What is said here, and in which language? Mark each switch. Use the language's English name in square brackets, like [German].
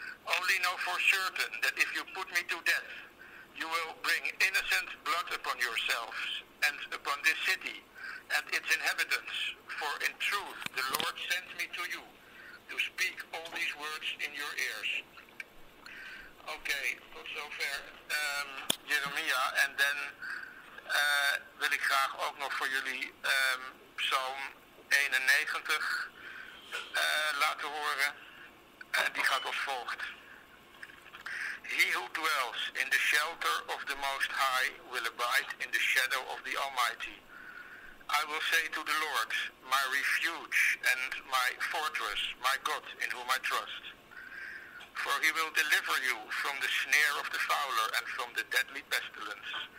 [English] Only know for certain that if you put me to death, you will bring innocent blood upon yourselves and upon this city and its inhabitants. For in truth, the Lord sent me to you to speak all these words in your ears. [Dutch] Okay, tot zover Jeremia. En dan wil ik graag ook nog voor jullie Psalm 91 laten horen. Die gaat als volgt. [English] He who dwells in the shelter of the Most High will abide in the shadow of the Almighty. I will say to the Lord, my refuge and my fortress, my God in whom I trust. For he will deliver you from the snare of the fowler and from the deadly pestilence.